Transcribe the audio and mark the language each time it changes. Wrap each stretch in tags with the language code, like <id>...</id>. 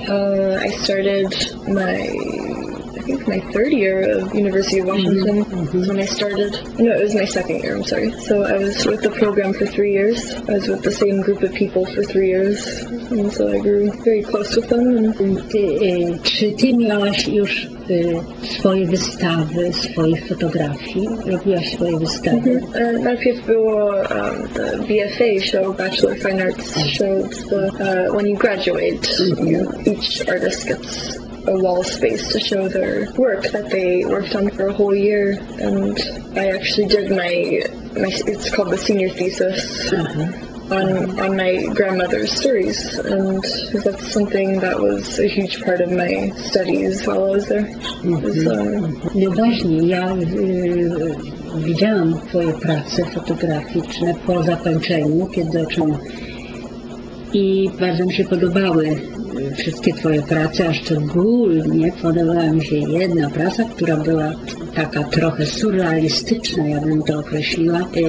<en>I started my, I think my third year of University of Washington is when I started. No, it was my second year, I'm sorry. So I was with the program for 3 years. I was with the same group of people for 3 years. And so I grew very close with them.</en> <pl>Czy ty miałaś już swoje wystawy, swoje fotografii? Robiłaś swoje wystawy? Najpierw było</pl> <en>the BFA show, Bachelor of Fine Arts show. It's the, when you graduate, each artist gets a wall space to show their work that they worked on for a whole year, and I actually did my it's called the senior thesis on my grandmother's stories, and that's something that was a huge part of my studies while I was there.</en> <pl>No właśnie, ja widziałam twoje prace fotograficzne po zakończeniu, kiedy zacząłem i bardzo mi się podobały wszystkie twoje prace, a szczególnie podobała mi się jedna praca, która była taka trochę surrealistyczna, ja bym to określiła.</pl>